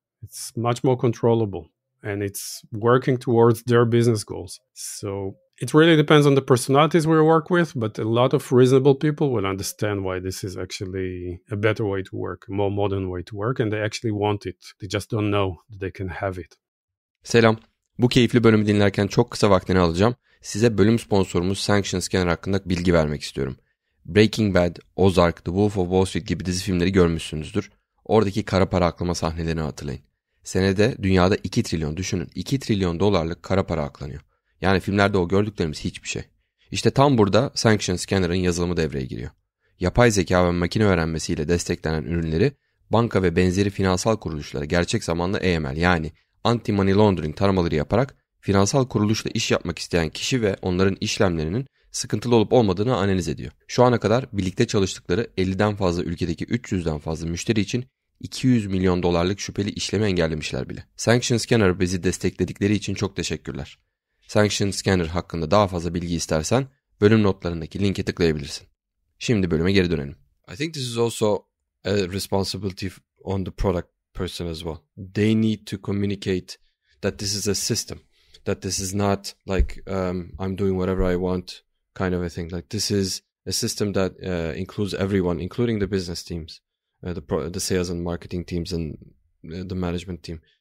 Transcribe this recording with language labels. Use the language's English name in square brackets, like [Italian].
[English] It's much more controllable and it's working towards their business goals. So it really depends on the personalities we work with, but a lot of reasonable people will understand why this is actually a better way to work, a more modern way to work, and they actually want it. They just don't know that they can have it. [Turkish] Selam. Bu keyifli bölümü dinlerken çok kısa vaktini alacağım. Size bölüm sponsorumuz Sanction Scanner hakkında bilgi vermek istiyorum. Breaking Bad, Ozark, The Wolf of Wall Street gibi dizi filmleri görmüşsünüzdür. Oradaki kara para aklama sahnelerini hatırlayın. Senede dünyada 2 trilyon, düşünün, 2 trilyon dolarlık kara para aklanıyor. Yani filmlerde o gördüklerimiz hiçbir şey. İşte tam burada Sanction Scanner'ın yazılımı devreye giriyor. yapay zeka ve makine öğrenmesiyle desteklenen ürünleri, banka ve benzeri finansal kuruluşlara gerçek zamanlı AML yani Anti-Money Laundering taramaları yaparak finansal kuruluşla iş yapmak isteyen kişi ve onların işlemlerinin sıkıntılı olup olmadığını analiz ediyor. Şu ana kadar birlikte çalıştıkları 50'den fazla ülkedeki 300'den fazla müşteri için 200 milyon dolarlık şüpheli işlemi engellemişler bile. Sanction Scanner bizi destekledikleri için çok teşekkürler. Sanction Scanner hakkında daha fazla bilgi istersen bölüm notlarındaki linke tıklayabilirsin. Şimdi bölüme geri dönelim. [English] I think this is also a responsibility on the product person as well. They need to communicate that this is a system, that this is not like I'm doing whatever I want kind of a thing. Like this is a system that includes everyone, including the business teams, the sales and marketing teams and the management team.